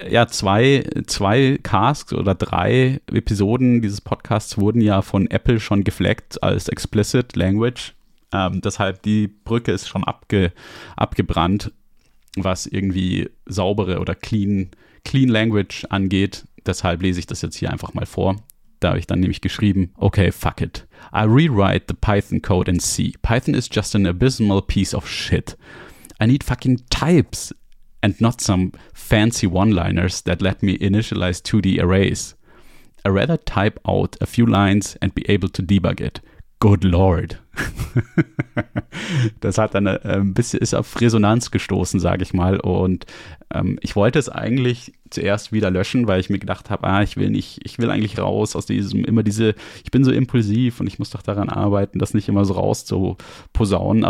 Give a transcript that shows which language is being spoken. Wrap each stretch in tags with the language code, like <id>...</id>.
<de>Ja, zwei Casks oder 3 Episoden dieses Podcasts wurden ja von Apple schon geflaggt als Explicit Language. Deshalb, die Brücke ist schon abgebrannt, was irgendwie saubere oder clean Language angeht. Deshalb lese ich das jetzt hier einfach mal vor. Da habe ich dann nämlich geschrieben, okay,</de> <en>fuck it. I'll rewrite the Python code and see. Python is just an abysmal piece of shit. I need fucking types and not some fancy one-liners that let me initialize 2D arrays. I'd rather type out a few lines and be able to debug it. Good Lord.</en> <de>Das hat dann ein bisschen, ist auf Resonanz gestoßen, sage ich mal. Und ich wollte es eigentlich zuerst wieder löschen, weil ich mir gedacht habe, ah, ich will eigentlich raus aus diesem, immer diese, ich bin so impulsiv und ich muss doch daran arbeiten, das nicht immer so raus zu posaunen.</de>